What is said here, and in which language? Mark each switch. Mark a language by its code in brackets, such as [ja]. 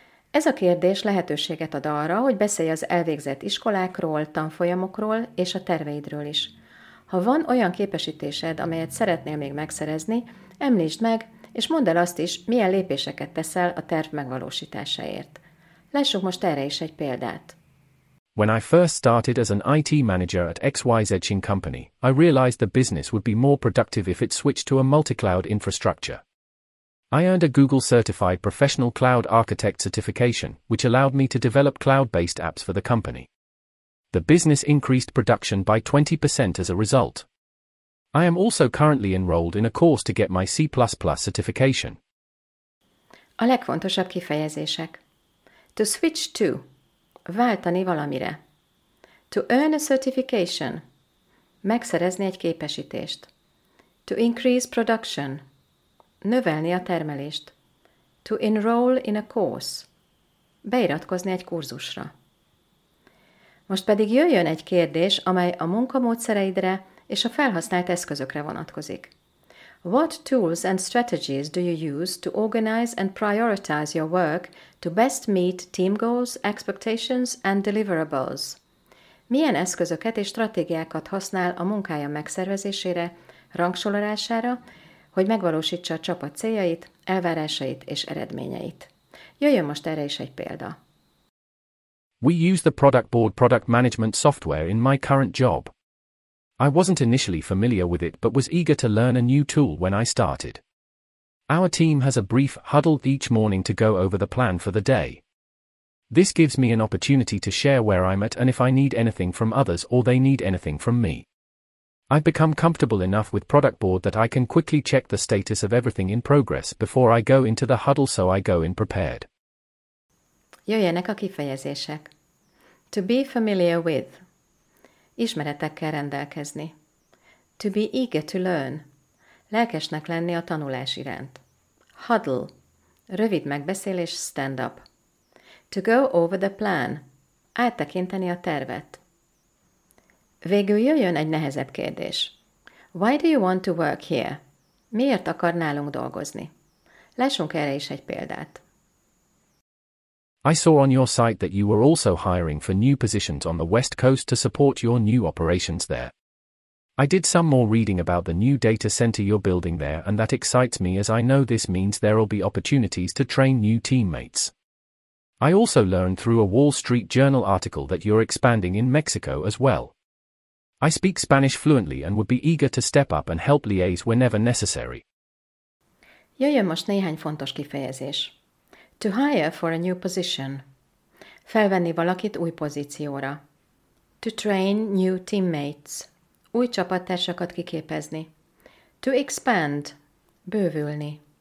[hu] Ez a kérdés lehetőséget ad arra, hogy beszélj az elvégzett iskolákról, tanfolyamokról és a terveidről is. Ha van olyan képesítésed, amelyet szeretnél még megszerezni, említsd meg, és mondd el azt is, milyen lépéseket teszel a terv megvalósításáért. Lássuk most erre is egy példát. [en] When I first started as an IT manager at XYZ Company, I realized the business would be more productive if it switched to a multi-cloud infrastructure. I earned a Google Certified Professional Cloud Architect certification, which allowed me to develop cloud-based apps for the company. The business increased production by 20% as a result. I am also currently enrolled in a course to get my C++ certification. [hu] A legfontosabb kifejezések. [en] To switch to. [hu] Váltani valamire. [en] To earn a certification. [hu] Megszerezni egy képesítést. [en] To increase production. [hu] Növelni a termelést. [en] To enroll in a course. [hu] Beiratkozni egy kurzusra. Most pedig jöjjön egy kérdés, amely a munkamódszereidre és a felhasznált eszközökre vonatkozik. [en] What tools and strategies do you use to organize and prioritize your work to best meet team goals, expectations and deliverables? [hu] Milyen eszközöket és stratégiákat használ a munkája megszervezésére, rangsorolására, hogy megvalósítsa a csapat céljait, elvárásait és eredményeit? Jöjjön most erre is egy példa. [en] We use the Product Board product management software in my current job. I wasn't initially familiar with it but was eager to learn a new tool when I started. Our team has a brief huddle each morning to go over the plan for the day. This gives me an opportunity to share where I'm at and if I need anything from others or they need anything from me. I've become comfortable enough with Product Board that I can quickly check the status of everything in progress before I go into the huddle, so I go in prepared. [hu] Jöjjenek a kifejezések. [en] To be familiar with. [hu] Ismeretekkel rendelkezni. [en] To be eager to learn. [hu] Lelkesnek lenni a tanulás iránt. Huddle. Rövid megbeszélés, stand up. [en] To go over the plan. [hu] Áttekinteni a tervet. Végül jöjjön egy nehezebb kérdés. [en] Why do you want to work here? [hu] Miért akar nálunk dolgozni? Lássunk erre is egy példát. [en] I saw on your site that you were also hiring for new positions on the West Coast to support your new operations there. I did some more reading about the new data center you're building there and that excites me as I know this means there'll be opportunities to train new teammates. I also learned through a Wall Street Journal article that you're expanding in Mexico as well. I speak Spanish fluently and would be eager to step up and help liaise whenever necessary. [hu] Jöjjön most néhány fontos kifejezés. [en] To hire for a new position. [hu] Felvenni valakit új pozícióra. [en] To train new teammates. [hu] Új csapattársakat kiképezni. [en] To expand. [hu] Bővülni.